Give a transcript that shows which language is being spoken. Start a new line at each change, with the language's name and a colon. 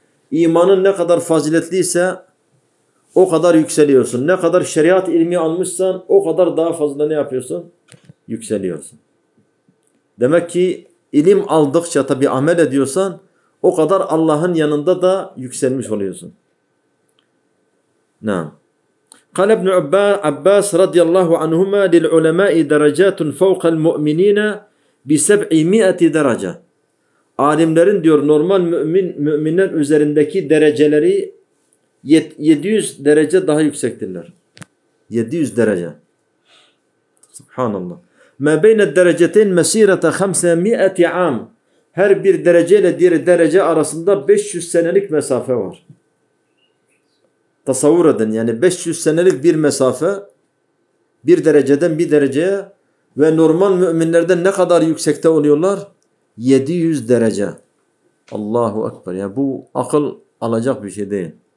Turkish: İmanın ne kadar faziletliyse o kadar yükseliyorsun. Ne kadar şeriat ilmi almışsan o kadar daha fazla ne yapıyorsun? Yükseliyorsun. Demek ki ilim aldıkça, tabii amel ediyorsan, o kadar Allah'ın yanında da yükselmiş oluyorsun. Naam.
Arabic: قال ابن عباس رضي الله عنهما للعلماء درجات فوق المؤمنين ب700 درجة.
Turkish: Alimlerin diyor normal müminler üzerindeki dereceleri 700 derece daha yüksektirler. 700 derece. Subhanallah.
Arabic: ما بين الدرجتين مسيرة 500 عام.
Turkish: Her bir derece ile diğer derece arasında 500 senelik mesafe var. Tasavvur edin, yani 500 senelik bir mesafe, bir dereceden bir dereceye ve normal müminlerden ne kadar yüksekte oluyorlar? 700 derece. Allahu Ekber. Yani bu akıl alacak bir şey değil.